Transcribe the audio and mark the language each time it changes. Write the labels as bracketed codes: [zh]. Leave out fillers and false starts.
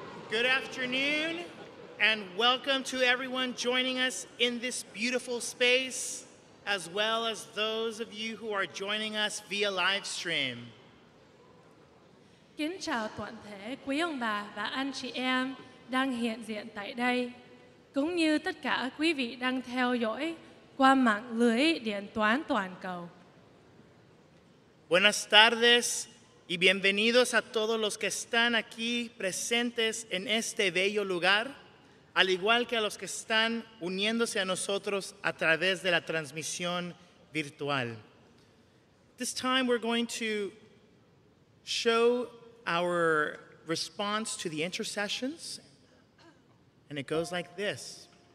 [en] Good afternoon, and welcome to everyone joining us in this beautiful space, as well as those of you who are joining us via live stream. [vi] Kính chào toàn thể quý ông bà và anh chị em đang hiện diện tại đây, cũng như tất cả quý vị đang theo dõi qua mạng lưới điện toán toàn cầu. [es] Buenas tardes Y bienvenidos a todos los que están aquí presentes en este bello lugar, al igual que a los que están uniéndose a nosotros a través de la transmisión virtual. [en] This time we're going to show our response to the intercessions, and it goes like this.